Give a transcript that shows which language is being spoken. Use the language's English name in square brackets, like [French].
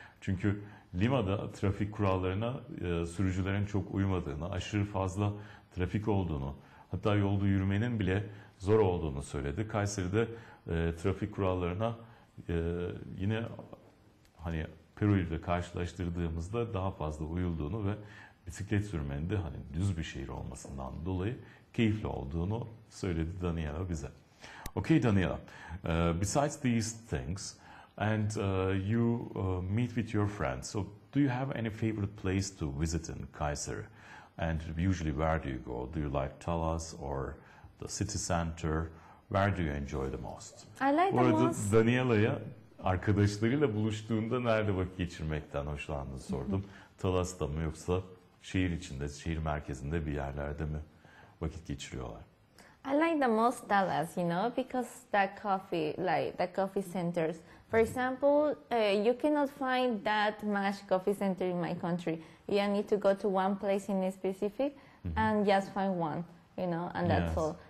[Turkish] Çünkü Lima'da trafik kurallarına sürücülerin çok uymadığını, aşırı fazla trafik olduğunu, hatta yolda yürümenin bile zor olduğunu söyledi. Kayseri'de trafik kurallarına yine hani Peru'yla karşılaştırdığımızda daha fazla uyulduğunu ve bisiklet sürmenin de hani düz bir şehir olmasından dolayı keyifli olduğunu söyledi Daniela bize. [English] Okay, Daniela, besides these things, and you meet with your friends. So do you have any favorite place to visit in Kayseri? And usually where do you go? Do you like Talas or the city center? Where do you enjoy the most? I like the most. [Turkish] Daniela'ya arkadaşlarıyla buluştuğunda nerede vakit geçirmekten hoşlandığını sordum. Talas'ta mı yoksa şehir içinde, şehir merkezinde bir yerlerde mi vakit geçiriyorlar? [English] I like the most Dallas, you know, because that coffee, like the coffee centers. For example, you cannot find that much coffee center in my country. You need to go to one place in specific and just find one, you know, and that's all.